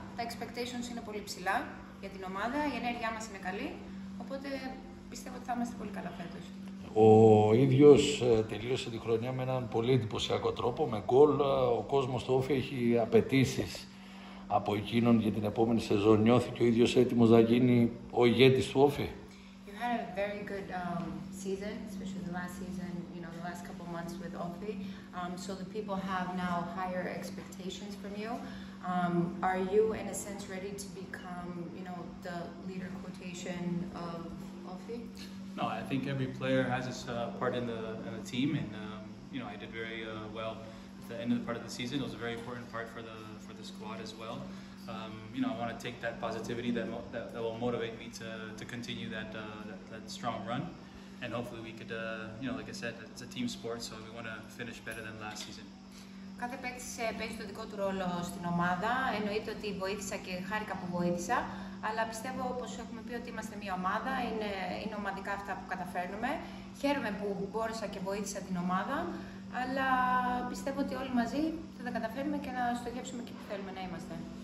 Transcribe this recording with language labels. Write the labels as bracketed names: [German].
[Greek] Τα expectations είναι πολύ ψηλά για την ομάδα, η ενέργειά μας είναι καλή, οπότε πιστεύω ότι θα είμαστε πολύ καλά φέτος. Ο ίδιος τελείωσε τη χρονιά με έναν πολύ εντυπωσιακό τρόπο, με γκολ. Ο κόσμος του Όφη έχει απαιτήσεις από εκείνον για την επόμενη σεζόν. Νιώθηκε ο ίδιος έτοιμος να γίνει ο ηγέτης του Όφη? [English] You had a very good season, especially the last season, you know, the last couple months with Όφη. So the people have now higher expectations from you. Are you, in a sense, ready to become, you know, the leader quotation of Ofi? No, I think every player has his part in the team, and you know, I did very well at the end of the part of the season. It was a very important part for the squad as well. You know, I want to take that positivity that will motivate me to continue that strong run, and hopefully we could, you know, like I said, it's a team sport, so we want to finish better than last season. [Greek] Κάθε παίκτης παίζει το δικό του ρόλο στην ομάδα. Εννοείται ότι βοήθησα και χάρηκα που βοήθησα. Αλλά πιστεύω, όπως έχουμε πει, ότι είμαστε μια ομάδα. Είναι ομαδικά αυτά που καταφέρνουμε. Χαίρομαι που μπόρεσα και βοήθησα την ομάδα. Αλλά πιστεύω ότι όλοι μαζί θα τα καταφέρουμε και να στοχεύσουμε εκεί που θέλουμε να είμαστε.